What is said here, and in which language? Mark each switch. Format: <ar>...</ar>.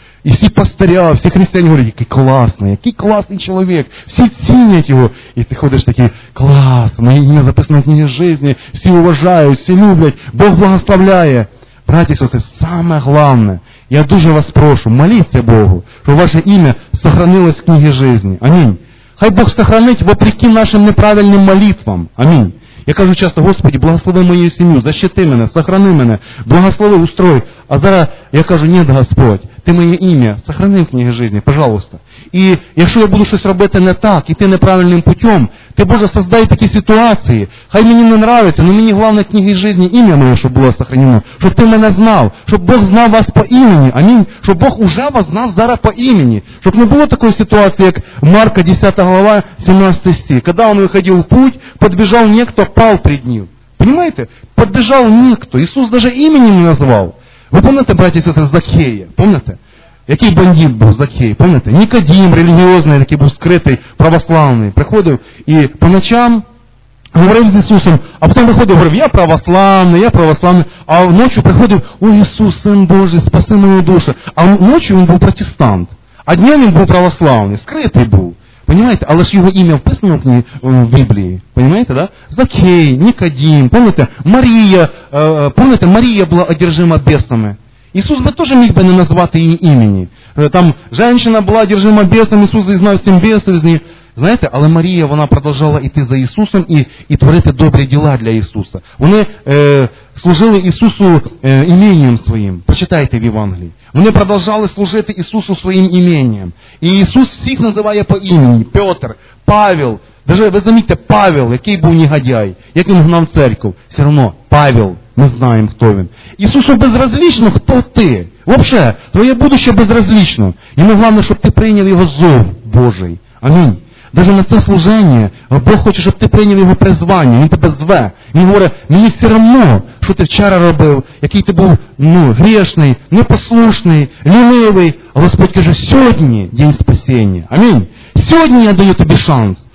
<uk>І всі пастиря, всі християни говорять, який класний чоловік, всі цінять його. І ти ходиш такий, клас, моє ім'я записано в книгі житті, всі уважають, всі люблять, Бог благословляє. Браті і сестри, саме головне, я дуже вас прошу, моліться Богу, щоб ваше ім'я сохранилось в книгі житті. Амінь. Хай Бог сохранить вопреки нашим неправильним молитвам. Амінь. Я кажу часто, Господи, благослови мою сім'ю, защити мене, сохрани мене, благослови, устрой. А зараз я кажу, ні, Господь, ти моє ім'я, сохрани в книгі житті, пожалуйста. І якщо я буду щось робити не так, іти неправильним путем, ти, Боже, создай такі ситуації, хай мені не нравиться, але мені головне в книгі житті ім'я моє, щоб було сохранено, щоб ти мене знав, щоб Бог знав вас по імені, амінь, щоб Бог уже вас знав зараз по імені, щоб не було такої ситуації, як Марка 10 глава 17 стих, коли він виходив в путь, підбіжав ніхто, пал перед ним.</uk> <ru>Понимаете? Подбежал никто. Иисус даже имени не назвал. Вы помните, братья и сестры, Закхея? Помните? Який бандит был Закхей? Помните? Никодим, религиозный, такий был скрытый, православный. Приходил и по ночам говорил с Иисусом, а потом выходил, говорил, я православный. А ночью приходил, о, Иисус, Сын Божий, спаси мою душу. А ночью он был протестант. А днем он был православный, скрытый был. Понимаете?</ru> <uk>Але ж його ім'я вписано в книгу в Біблії.</uk> <ru>Понимаете, да?</ru> <uk>Закхей, Нікодім, помните, Марія, помните, Марія була одержима бесами. Ісус би теж міг би не назвати її імені. Там жінка була одержима бесами, Ісус зізнав всім бесів з неї. Знаєте, але Марія, вона продовжувала йти за Ісусом і творити добрі діла для Ісуса. Вони служили Ісусу ім'єм своїм. Почитайте в Євангелії. Вони продовжували служити Ісусу своїм ім'єм. І Ісус всіх називає по імені. Петр, Павел. Даже, ви замітьте, Павел, який був негодяй, як він гнав церкву. Все одно, Павел, ми знаємо, хто він. Ісусу безразлично, хто ти?</uk> <ru>Вообще, твоє будущее безразлично.</ru> <uk>Йому головне, щоб ти прийняв його зов Божий. Амінь. Даже на це служення Бог хоче, щоб ти прийняв його призвання, він тебе зве. Він говорить, мені все одно, що ти вчора робив, який ти був грішний, непослушний, лінивий. А Господь каже, сьогодні день спасіння. Амінь. Сьогодні я даю тобі шанс.</uk>